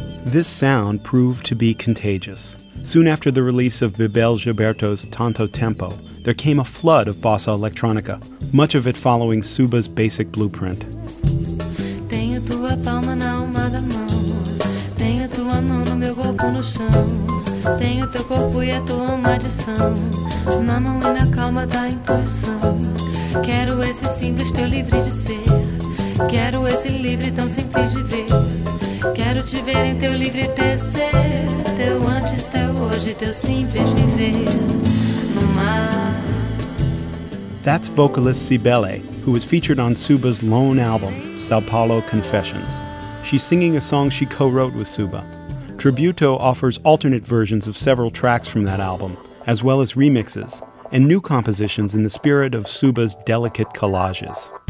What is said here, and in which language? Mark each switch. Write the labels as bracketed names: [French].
[English] This sound proved to be contagious. Soon after the release of Bibel Gilberto's Tanto Tempo, there came a flood of bossa electronica, much of it following Suba's basic blueprint. [Portuguese] Tenho tua palma na alma da mão. Tenho tua mão no meu corpo no chão. Tenho teu corpo e a tua maldição. Na mão e na calma da intuição. Quero esse simples teu livre de ser. Quero esse livre tão simples de ver. Quero te ver em teu livre tecer, teu antes, teu hoje, teu simples viver no mar. [English] That's vocalist Cibele, who was featured on Suba's lone album, Sao Paulo Confessions. She's singing a song she co-wrote with Suba. Tributo offers alternate versions of several tracks from that album, as well as remixes, and new compositions in the spirit of Suba's delicate collages.